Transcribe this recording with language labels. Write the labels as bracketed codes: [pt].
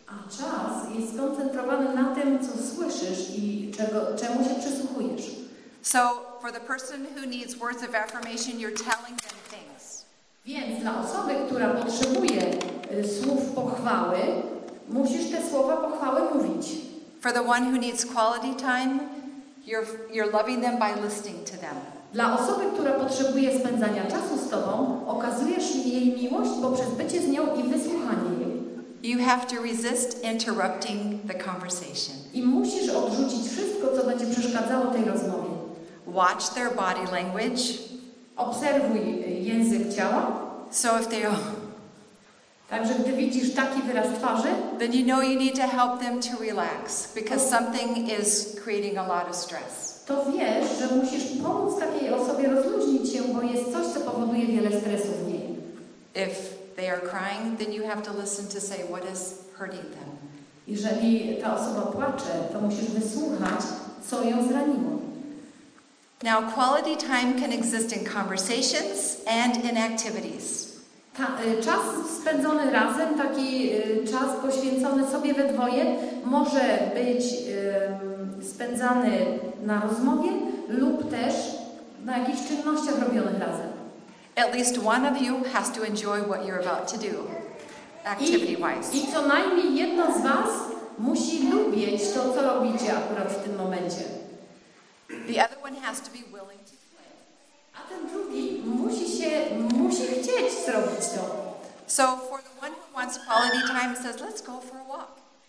[pl] A czas jest skoncentrowany na tym, co słyszysz i czemu się przysłuchujesz. [en] So for the person who needs words of affirmation, you're telling them things. [pl] Więc dla osoby, która potrzebuje słów pochwały, musisz te słowa pochwały mówić. [en] For the one who needs quality time, you're loving them by listening to them. [pl] Dla osoby, która potrzebuje spędzania czasu z tobą, okazujesz jej miłość poprzez bycie z nią i wysłuchanie jej. [en] You have to resist interrupting the conversation. [pl] I musisz odrzucić wszystko, co będzie przeszkadzało tej rozmowie. [en] Watch their body language. [pl] Obserwuj język ciała. [en] So if they are, [pl] także gdy widzisz taki wyraz twarzy, [en] then you know you need to help them to relax, because something is creating a lot of stress. [pl] To wiesz, że musisz pomóc takiej osobie rozluźnić się, bo jest coś, co powoduje wiele stresu w niej. [en] If they are crying, then you have to listen to say what is hurting them. [pl] Jeżeli ta osoba płacze, to musisz wysłuchać, co ją zraniło. [en] Now, quality time can exist in conversations and in activities. [pl] Czas spędzony razem, taki czas poświęcony sobie we dwoje, może być spędzany na rozmowie lub też na jakichś czynnościach robionych razem. [en] At least one of you has to enjoy what you're about to do, activity-wise. [pl] I co najmniej jedno z was musi lubić to, co robicie akurat w tym momencie. [en] The other one has to be willing to. [pl] A ten drugi musi chcieć zrobić to. [en] So for the one who wants quality time says, let's go for a walk.